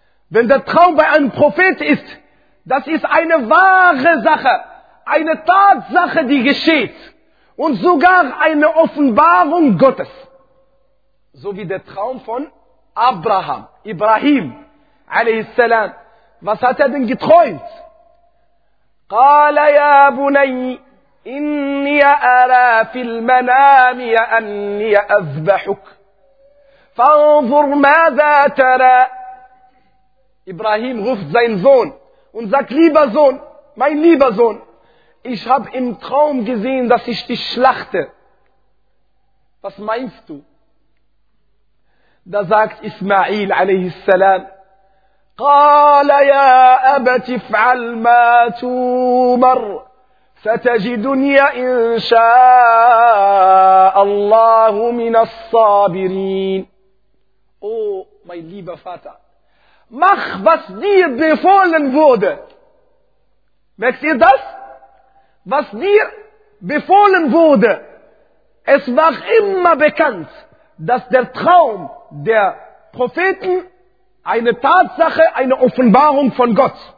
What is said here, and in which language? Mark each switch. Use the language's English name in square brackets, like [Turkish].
[German] Wenn der Traum bei einem Prophet ist, das ist eine wahre Sache, eine Tatsache, die geschieht. Und sogar eine Offenbarung Gottes. So wie der Traum von Ibrahim, alayhis salam. Was hat er denn geträumt? [Arabic] قال يا بني إني أرى في المنام أني أذبحك فانظر ماذا ترى. [German] إبراهيم ruft seinen Sohn und sagt, lieber Sohn, mein lieber Sohn, ich habe im Traum gesehen, dass ich dich schlachte. Was meinst du? Da sagt Ismail عليه السلام, [Arabic] قال يا أبت افعل ما تومر ستجدني إن شاء الله من الصابرين. [German] Oh, mein lieber Vater, mach, was dir befohlen wurde. Merkst ihr das? Was dir befohlen wurde. Es war immer bekannt, dass der Traum der Propheten eine Tatsache, eine Offenbarung von Gott.